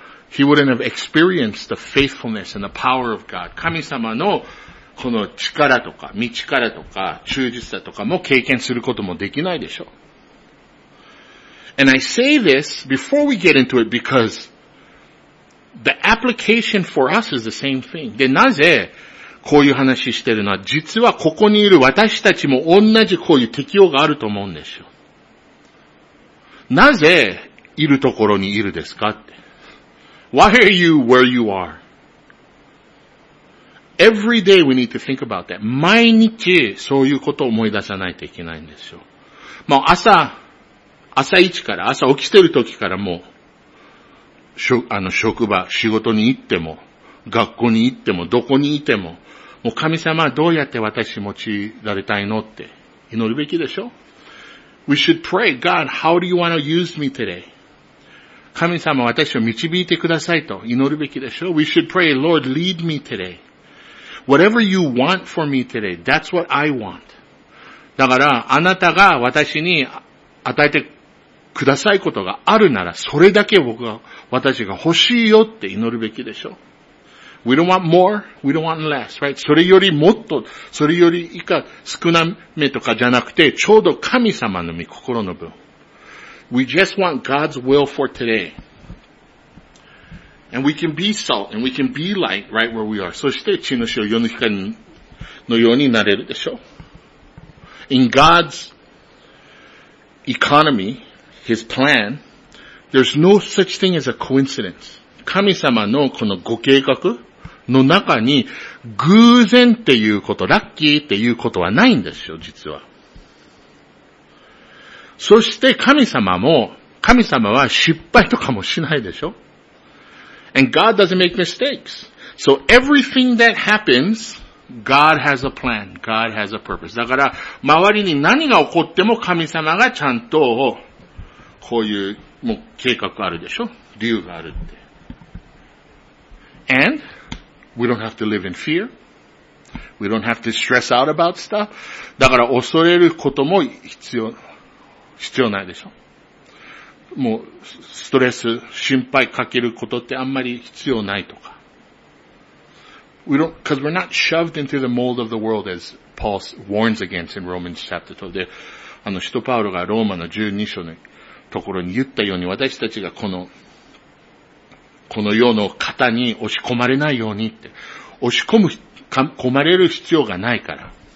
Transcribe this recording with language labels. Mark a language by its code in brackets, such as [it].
[en] He wouldn't have experienced the faithfulness and the power of God. [ja] 神様のこの力とか道からとか忠実さとかも経験することもできないでしょう。 [en] And I say this before we get into it because the application for us is the same thing. [ja] で、なぜこういう話してるのは、実はここにいる私たちも同じこういう適用があると思うんですよ。なぜいるところにいるですかって。 [en] Why are you where you are? Every day we need to think about that. [ja] 毎日そういうことを思い出さないといけないんですよ。まあ朝一から、朝起きてる時からもう、職場、仕事に行っても、学校に行っても、どこにいても、もう神様はどうやって私用いられたいのって祈るべきでしょ。 [en] We should pray, God, how do you want to use me today? [ja] 神様私を導いてくださいと祈るべきでしょ。 [en] We should pray, Lord, lead me today. Whatever you want for me today, that's what I want. [ja] だからあなたが私に与えてくださいことがあるなら、それだけ僕は私が欲しいよって祈るべきでしょ。 [en] We don't want more, we don't want less, right? [ja] それよりもっと、それより以下少なめとかじゃなくて、ちょうど神様の御心の分。 [en] We just want God's will for today. And we can be salt, and we can be light right where we are. [ja] そして地の塩、世の光のようになれるでしょ。 [en] In God's economy, His plan, there's no such thing as a coincidence. [ja] 神様のこのご計画の中に偶然っていうこと、ラッキーっていうことはないんですよ、実は。そして神様も、神様は失敗とかもしないでしょ。 [en] And God doesn't make mistakes. So everything that happens, God has a plan. God has a purpose. [ja] だから周りに何が起こっても神様がちゃんとこういう、もう計画あるでしょ。理由があるって。 [en] And we don't have to live in fear. We don't have to stress out about stuff. [ja] だから恐れることも必要ないでしょ。もうストレス、心配かけることってあんまり必要ないとか。 [en] We don't, because we're not shoved into the mold of the world as Paul warns against in Romans chapter 12. [ja] で、あの使徒パウロがローマの12章のところに言ったように私たちがこの世の方に押し込まれないようにって、押し込む、込まれる必要がないから。